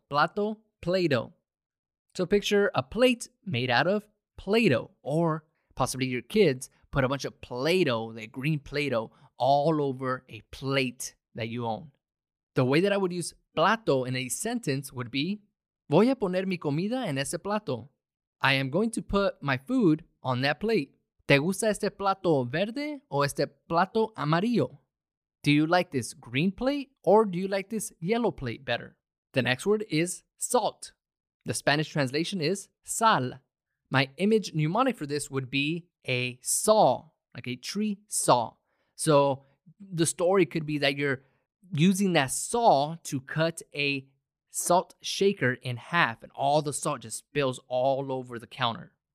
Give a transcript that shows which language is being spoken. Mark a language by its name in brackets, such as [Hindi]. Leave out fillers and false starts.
[English] Plato, Play-Doh. So picture a plate made out of Play-Doh, or possibly your kids put a bunch of Play-Doh, that green Play-Doh, all over a plate that you own. The way that I would use plato in a sentence would be, [Spanish] voy a poner mi comida en ese plato. [English] I am going to put my food on that plate. [Spanish] ¿Te gusta este plato verde o este plato amarillo? [English] Do you like this green plate or do you like this yellow plate better? The next word is salt. The Spanish translation is sal. My image mnemonic for this would be a saw, like a tree saw. So the story could be that you're using that saw to cut a salt shaker in half and all the salt just spills all over the counter.